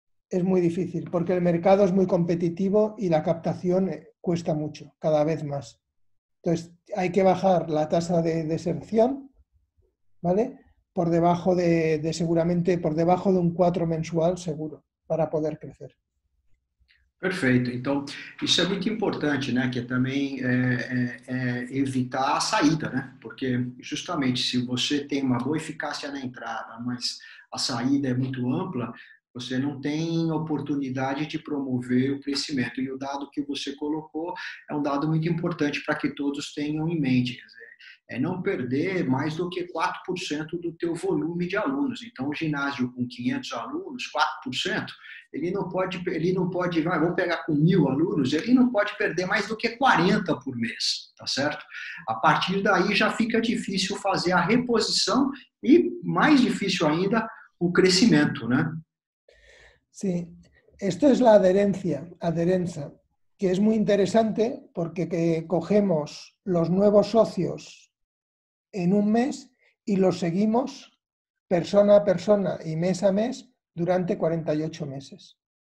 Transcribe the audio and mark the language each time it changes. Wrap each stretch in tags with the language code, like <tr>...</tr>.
<es>Es muy difícil, porque el mercado es muy competitivo y la captación cuesta mucho, cada vez más. Entonces, hay que bajar la tasa de deserción, ¿vale? Por debajo de seguramente, por debajo de un 4 mensual seguro, para poder crecer.</es> <pt>Perfeito. Então, isso é muito importante, né? Que é também evitar a saída, né? Porque justamente se você tem uma boa eficácia na entrada, mas a saída é muito ampla, você não tem oportunidade de promover o crescimento. E o dado que você colocou é um dado muito importante para que todos tenham em mente. Quer dizer, é não perder mais do que 4% do teu volume de alunos. Então, um ginásio com 500 alunos, 4%, ele não pode, vamos pegar com 1.000 alunos, ele não pode perder mais do que 40 por mês, tá certo? A partir daí já fica difícil fazer a reposição e mais difícil ainda o crescimento, né? Sim.</pt> <es>Esto es la adherencia, adherenza, que es muy interesante porque que cogemos los nuevos socios en un mes y los seguimos persona a persona y mes a mes durante 48 meses.</es>